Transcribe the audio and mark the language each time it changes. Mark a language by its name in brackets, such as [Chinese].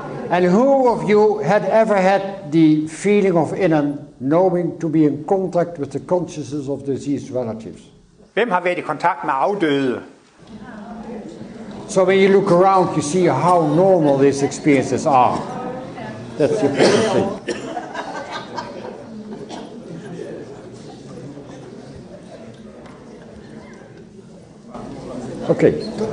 [English] And who of you had ever had the feeling of inner knowing to be in contact with the consciousness of deceased relatives? [Danish] Hvem har været i kontakt med afdøde? [English] So when you look around, you see how normal these experiences are. That's the important thing. Okay.